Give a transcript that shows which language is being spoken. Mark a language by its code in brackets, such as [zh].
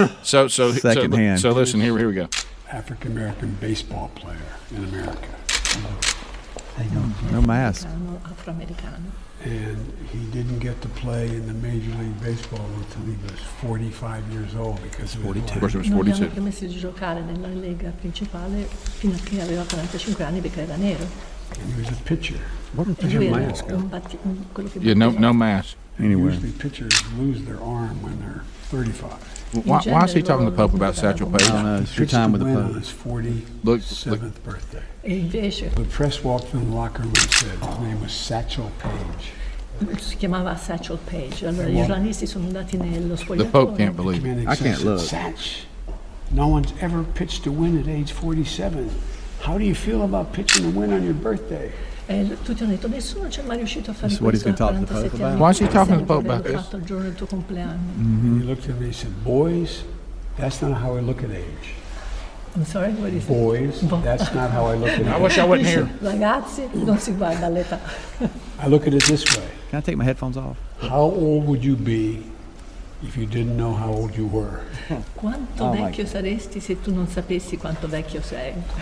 [en] Secondhand. So listen, here we go. African American baseball player in America. No mask. I'm Afro American. And he didn't get to play in the Major League Baseball until he was 45 years old because he was 42. Of course, it was 42. [it] Non mi ha permesso di giocare nella lega principale fino a che aveva 45 anni perché era nero. [en] And he was a pitcher. What is your mask? No mask. Anywhere. Usually pitchers lose their arm when they're 35. Why is he talking to the Pope about Satchel Paige? It's your time with the Pope. On his 47th birthday. The press walked in the locker room and said his name was Satchel Paige. [it] Si chiamava Satchel Paige. Allora, gli giornalisti sono andati nello spogliatoio. [en] The Pope can't believe it. I can't look. Satch, no one's ever pitched to win at age 47. How do you feel about pitching to win on your birthday? [it] Tutti hanno detto, nessuno ci è mai riuscito a fare questo. [en] This is what he's going to talk to the Pope about. Why is he talking to the Pope about this? [it] Il giorno del tuo compleanno. [en] And he looked at me and said, boys, that's not how I look at age. I'm sorry, what is it? Boys, that's not how I look at age. I wish I wasn't here. [it] Ragazzi, non si guarda l'età. [en] I look at it this way. Can I take my headphones off? How old would you be if you didn't know how old you were? [it] Quanto vecchio saresti se tu non sapessi quanto vecchio sei?